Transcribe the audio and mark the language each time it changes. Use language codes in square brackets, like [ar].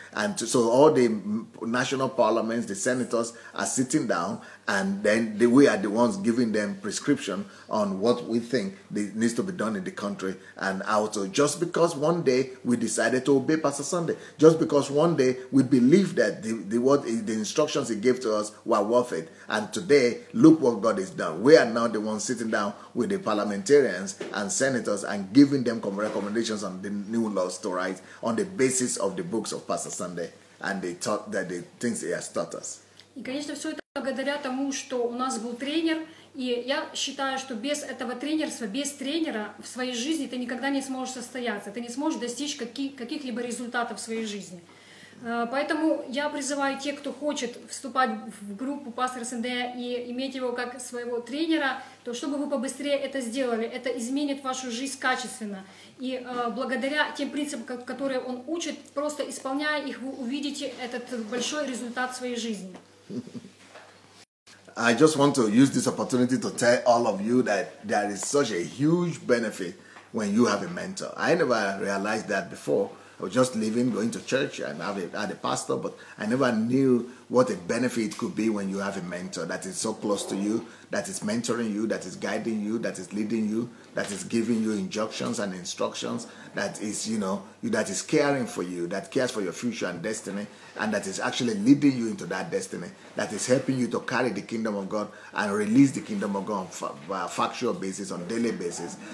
[en] And so all the national parliaments, the senators are sitting down, and then we are the ones giving them prescription on what we think needs to be done in the country and how to, just because one day we decided to obey Pastor Sunday, just because one day we believe that the instructions he gave to us were worth it. And today, look what God has done. We are now the ones sitting down with the parliamentarians and senators and giving them recommendations on the new laws to write on the basis of the books of Pastor Sunday and the things he has taught us. [ru] И, конечно, все это благодаря тому, что у нас был тренер, и я считаю, что без этого тренерства, без тренера в своей жизни ты никогда не сможешь состояться, ты не сможешь достичь каких-либо результатов в своей жизни. Поэтому я призываю тех, кто хочет вступать в группу пастора Сандея и иметь его как своего тренера, то чтобы вы побыстрее это сделали, это изменит вашу жизнь качественно. И благодаря тем принципам, которые он учит, просто исполняя их, вы увидите этот большой результат в своей жизни. [en] I just want to use this opportunity to tell all of you that there is such a huge benefit when you have a mentor. I never realized that before. I was just living, going to church and had a pastor, but I never knew what a benefit it could be when you have a mentor that is so close to you, that is mentoring you, that is guiding you, that is leading you, that is giving you injunctions and instructions, that is, you know, that is caring for you, that cares for your future and destiny, and that is actually leading you into that destiny, that is helping you to carry the kingdom of God and release the kingdom of God on a factual basis, on a daily basis.